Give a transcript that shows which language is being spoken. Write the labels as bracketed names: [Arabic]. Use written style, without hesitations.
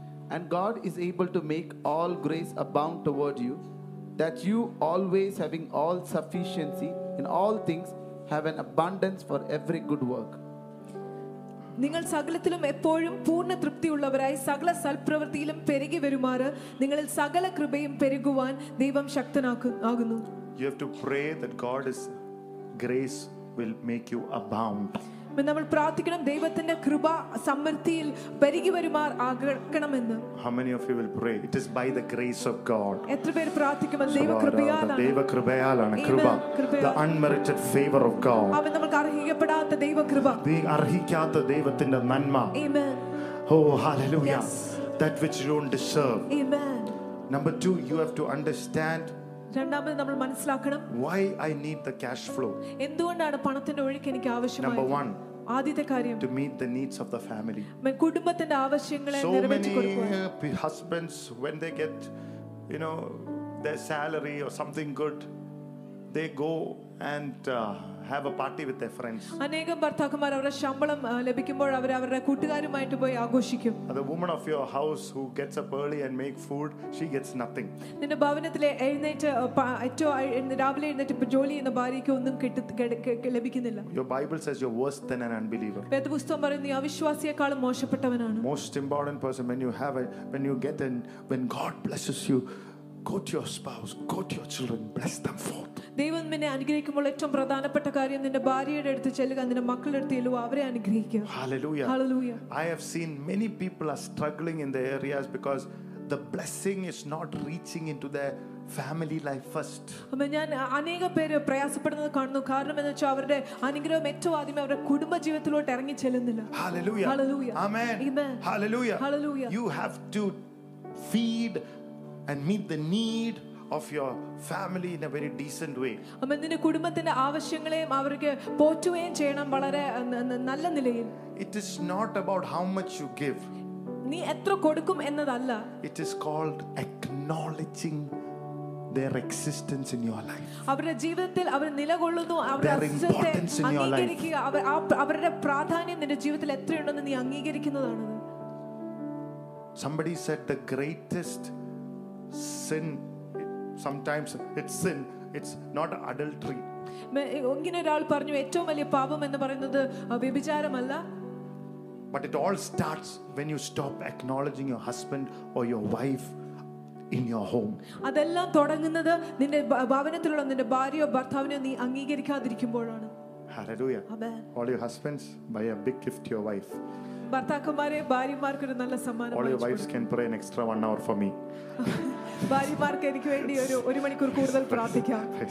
[English] And God is able to make all grace abound toward you, that you always having all sufficiency in all things have an abundance for every good work. [Malayalam] നിങ്ങൾ സകലത്തിലും എപ്പോഴും പൂർണ്ണ തൃപ്തിയുള്ളവരായി സകല സൽപ്രവൃത്തിയിലും പെരുകി വരുമാറ് നിങ്ങളിൽ സകല കൃപയും പെരുകുവാൻ ദൈവം ശക്തനാകുന്നു. [English] You have to pray that God's grace will make you abound. [Malayalam] നമ്മൾ പ്രാർത്ഥിക്കണം ദൈവത്തിന്റെ കൃപ സമൃദ്ധിയിൽ പെരുകി വരുമാർ ആകണമെന്ന്. [English] How many of you will pray? It is by the grace of God. [Malayalam] എത്ര പേർ പ്രാർത്ഥിക്കും? ദൈവകൃപയാലാണ്. ദൈവകൃപയാലാണ് കൃപ. [English] The unmerited favor of God. [Malayalam] അവൻ നമുക്ക് അർഹിക്കപ്പെടാത്ത ദൈവകൃപ. ദൈവ അർഹിക്കാത്ത ദൈവത്തിന്റെ നന്മ. [English] Amen. Oh hallelujah. That which you don't deserve. Amen. Number 2, you have to understand. [Malayalam] രണ്ടാമത് നമ്മൾ മനസ്സിലാക്കണം. [English] Why I need the cash flow? [Malayalam] എന്തുകൊണ്ടാണ് പണത്തിന്റെ ഒഴുക്ക് എനിക്ക് ആവശ്യമായത്? [English] Number 1. [Malayalam] ആദ്യത്തെ കാര്യം [English] to meet the needs of the family. [Malayalam] കുടുംബത്തിന്റെ ആവശ്യങ്ങളെ നിറവേറ്റി കൊടുക്കുക. [English] So many husbands when they get you know their salary or something good they go and have a party with their friends. [Malayalam] അനേകം ഭർത്താക്കന്മാർ അവരുടെ ശമ്പളം ലഭിക്കുമ്പോൾ അവർ അവരുടെ കൂട്ടുകാരുമായിട്ട് പോയി ആഘോഷിക്കും. [English] The woman of your house who gets up early and make food, she gets nothing. [Malayalam] നിന്റെ ഭവനത്തിലെ എഴുന്നേറ്റ് ഏറ്റോ രാവിലെ എഴുന്നേറ്റ് ജോലി ചെയ്യുന്ന ഭാര്യയ്ക്ക് ഒന്നും ലഭിക്കുന്നില്ല. [English] Your Bible says you're worse than an unbeliever. [Malayalam] വേദപുസ്തകം പറയുന്നു നീ അവിശ്വാസിയേക്കാളും മോശപ്പെട്ടവനാണ്. [English] Most important person when you have a, when you get and when God blesses you, go to your spouse, go to your children, bless them forth. [Malayalam] ദൈവം നിന്നെ അനുഗ്രഹിക്കുമ്പോൾ ഏറ്റവും പ്രധാനപ്പെട്ട കാര്യം നിന്റെ ഭാര്യയുടെ അടുത്ത് ചെല്ലുക, നിന്റെ മക്കളുടെ അടുത്ത് ചെല്ലുക, അവരെ അനുഗ്രഹിക്കുക. [English] Hallelujah. Hallelujah. I have seen many people are struggling in the areas because the blessing is not reaching into their family life first. [Malayalam] ഞാൻ അനേക പേര് പ്രയാസപ്പെടുന്നത് കാണുന്നു. കാരണം എന്ന് വെച്ചാൽ അവരുടെ അനുഗ്രഹം ഏറ്റവും ആദ്യമേ അവരുടെ കുടുംബ ജീവിതത്തിലോട്ട് ഇറങ്ങി ചെല്ലുന്നില്ല. [English] Hallelujah. Hallelujah. Amen. Hallelujah. Hallelujah. You have to feed and meet the need of your family in a very decent way. [Malayalam] അമ്മ നിന്റെ കുടുംബത്തിന്റെ ആവശ്യങ്ങളെയും അവർക്ക് പോറ്റുകയും ചെയ്യണം വളരെ നല്ല നിലയിൽ. [English] It is not about how much you give. [Malayalam] നീ എത്ര കൊടുക്കും എന്നതല്ല. [English] It is called acknowledging their existence in your life. [Malayalam] അവരുടെ ജീവിതത്തിൽ അവർ നിലകൊള്ളുന്നു, അവരുടെ അസ്തിത്വത്തെ അംഗീകരിക്കുക, അവരുടെ പ്രാധാന്യം നിന്റെ ജീവിതത്തിൽ എത്രയുണ്ടെന്ന് നീ അംഗീകരിക്കുന്നതാണ്. [English] Somebody said the greatest sin, sometimes it's sin, it's not adultery. [Malayalam] ഇങ്ങനെ ഒരാൾ പറഞ്ഞു ഏറ്റവും വലിയ പാപം എന്ന് പറയുന്നത് വ്യഭിചാരമല്ല. [English] But it all starts when you stop acknowledging your husband or your wife in your home. [Malayalam] അതെല്ലാം തുടങ്ങുന്നത് നിന്റെ ഭവനത്തിലുള്ള നിന്റെ ഭാര്യയോ ഭർത്താവിനെയോ നീ അംഗീകരിക്കാതിരിക്കുമ്പോഴാണ്. [English] Hallelujah. Amen. All your husbands, buy a big gift to your wife. [Malayalam] ഭർത്താക്കന്മാരെ ഭാര്യമാർക്ക് ഒരു നല്ല സമ്മാനം. [English] All your wives can pray an extra 1 hour for me. [Malayalam] ഭാര്യമാർക്ക് എനിക്ക് വേണ്ടി ഒരു മണിക്കൂർ കൂടുതൽ പ്രാർത്ഥിക്കാം.